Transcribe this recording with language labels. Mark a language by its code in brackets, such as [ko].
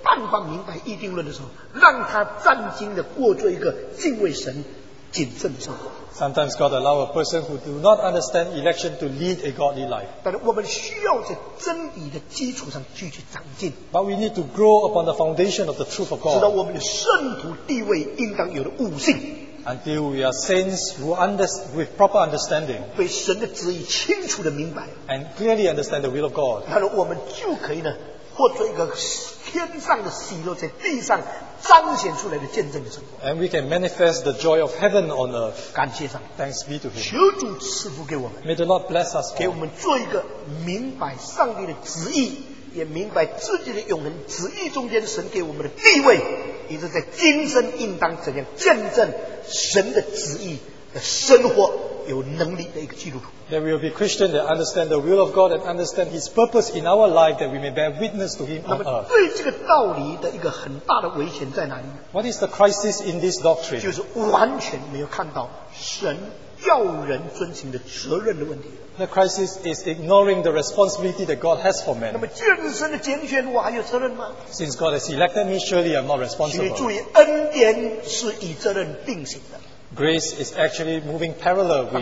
[zh] 所以神有时许可一些人在没有办法明白预定论的时候, 让他战兢地过做一个敬畏神谨慎的生活。 [en] Sometimes God allows a person who do not understand election to lead a godly life. [zh] 但我们需要在真理的基础上继续长进, [en] but we need to grow upon the foundation of the truth of God. [zh] 知道我们的圣徒地位应当有的悟性, [en] until we are saints who with proper understanding, [zh] 被神的旨意清楚地明白, [en] and clearly understand the will of God. [zh] 然后我们就可以呢, 或做一个 天上的喜乐在地上彰显出来的见证的成果, [en] and we can manifest the joy of heaven on earth. [zh] 感谢上, [en] thanks be to him. [zh] 求主赐福给我们, [en] may the Lord bless us, [zh] 给我们做一个明白上帝的旨意, 也明白自己的永恒旨意中间神给我们的地位, 以致在今生应当怎样见证神的旨意的生活, 有能力的一个基督徒。 [en] There will be Christians that understand the will of God and understand His purpose in our life that we may bear witness to Him on earth. [zh] 那么对这个道理的一个很大的危险在哪里 [en] ？What is the crisis in this doctrine？ [zh] 就是完全没有看到神叫人遵行的责任的问题。 [en] The crisis is ignoring the responsibility that God has for men. [zh] 那么既然是神的拣选，我还有责任吗 [en] ？Since God has elected me, surely I'm not responsible. [zh] 请你注意，恩典是以责任并行的。 [en] Grace is actually moving parallel with